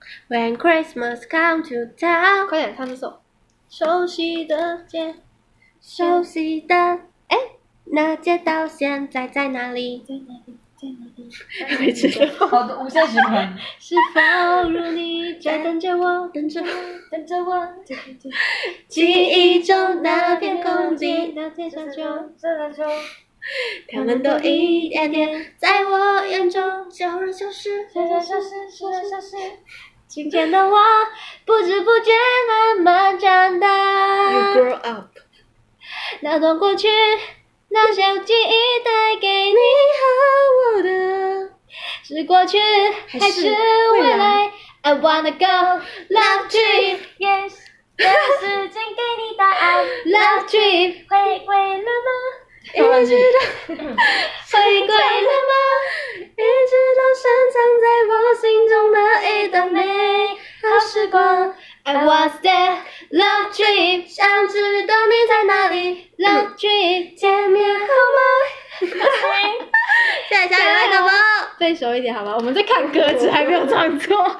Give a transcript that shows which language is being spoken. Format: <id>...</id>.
<en>When Christmas comes to town，</en> <zh>快点唱这首。熟悉的街，熟悉的，哎，那街道现在在哪里？在哪里？好的，无限循环。是否如你在等着我，等着我，等着我？记忆中那片空地，那片山丘，这山丘，他们都一点点在我眼中悄然消失，悄然消失，悄然消失。今天的我不知不觉慢慢长大。</zh> <en>You grow up。</en> <zh>那段过去。那些记忆带给你和我的，是过去还是未来 ？</zh> <en>I wanna go love trip， yes，</en> <zh>让时间给你答案。</zh> <en>Love trip，</en> <zh>回归了吗？一直都回归了吗？一直都深藏在我心中的一段美好时光。</zh> <en>I was there, love trip，</en> <zh>想知道你在哪里。</zh> <en>Love trip，</en> <zh>见面好吗？谢谢小爱的播，背熟一点好吗？我们在看歌词，还没有唱错。</zh>